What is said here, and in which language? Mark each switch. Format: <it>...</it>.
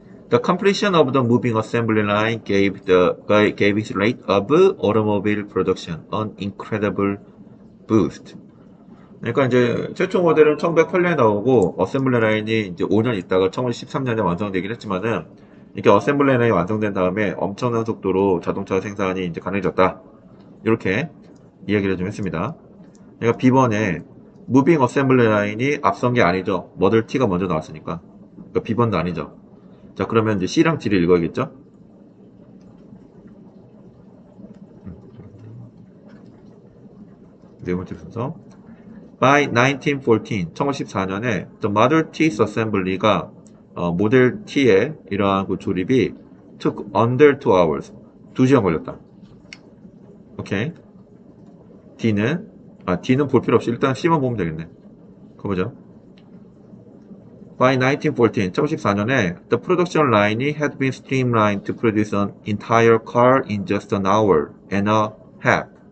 <en>The completion of the moving assembly line gave its rate of automobile production an incredible boost.</en> <ko>그러니까 이제 최초 모델은 1908년에 나오고, 어셈블리 라인이 이제 5년 있다가 1913년에 완성되긴 했지만은, 이렇게 어셈블리 라인이 완성된 다음에 엄청난 속도로 자동차 생산이 이제 가능해졌다. 이렇게 이야기를 좀 했습니다. 그러니까 B번에 무빙 어셈블리 라인이 앞선 게 아니죠. 모델 T가 먼저 나왔으니까. 그러니까 B번도 아니죠. 자, 그러면 이제 C랑 D를 읽어야겠죠? 네 번째 순서.</ko> <en>By 1914,</en> <ko>1914년에</ko> <en>The Model T's Assembly</en> <ko>가 모델 T의 이러한 그 조립이</ko> <en>took under 2 hours.</en> <ko>2시간 걸렸다. 오케이. D는 볼 필요 없이 일단 C만 보면 되겠네. 가보죠.</ko> <en>By 1914,</en> <ko>1914년에</ko> <en>the production line had been streamlined to produce an entire car in just an hour and a half.</en>